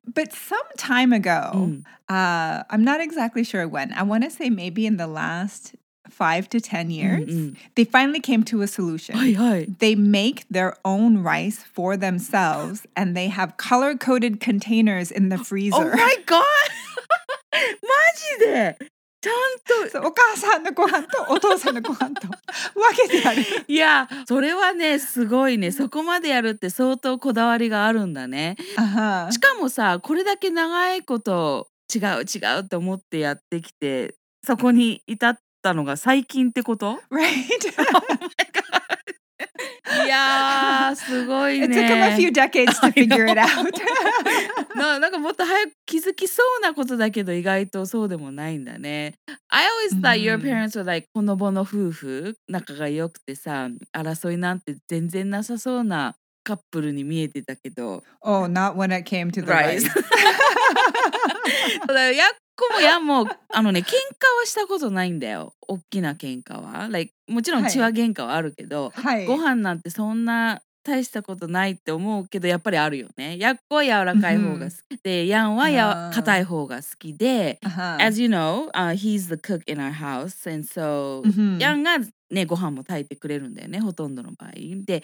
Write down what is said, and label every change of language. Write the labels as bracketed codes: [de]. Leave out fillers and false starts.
[en] But some time ago, I'm not exactly sure when. I want to say maybe in the last 5 to 10 years, they finally came to a solution. They make their own rice for themselves and they have color-coded containers in the freezer. Oh my god! [ja] マジで?ちゃんと。お母さんのご飯とお父さんのご飯と分けてやる。いや、それはね、すごいね。そこまでやるって相当こだわりがあるんだね。しかもさ、これだけ長いこと違う違うと思ってやってきて、そこに至ってたのが最近ってこと? [en] Right. Oh my god. [ja] いやー、すごいね。 [en] It took him a few decades to figure it out. [ja] なんかもっと早く気づきそうなことだけど、意外とそうでもないんだね。 [en] I always thought your parents were like, [ja] ほのぼの夫婦、仲が良くてさ、争いなんて全然なさそうなカップルに見えてたけど。 [en] Oh, not when it came to the rice. [ja] そうだよ、こもやもあのね喧嘩はしたことないんだよ大きな喧嘩は、like、もちろん血は喧嘩はあるけど、ご飯なんてそんな大したことないって思うけどやっぱりあるよね。やっこは柔らかい方が好きで、やんは硬い方が好きで、 [en] As you know, he's the cook in our house, [ja] and so やんがねご飯も炊いてくれるんだよね、ほとんどの場合で。